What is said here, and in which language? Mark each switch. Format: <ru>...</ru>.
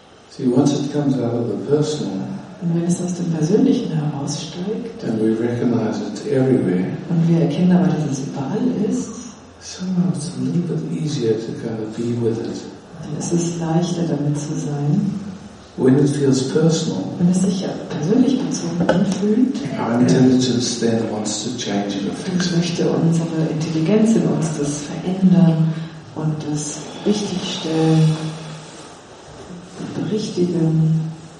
<en>See, once it comes out of the personal.</en> <de>Und wenn es aus dem Persönlichen heraussteigt.</de> <en>And we recognize it's everywhere.</en> <de>Und wir erkennen aber, dass es überall ist.</de> <en>Somehow it's a little bit easier to kind of be with it.</en> <de>Es ist leichter, damit zu sein.</de> <en>When it feels personal.</en> <de>Wenn es sich persönlich bezogen anfühlt.</de> <en>Our intelligence then wants to change and fix it.</en> <de>Möchte unsere Intelligenz in uns das verändern und das richtigstellen, berichtigen.</de>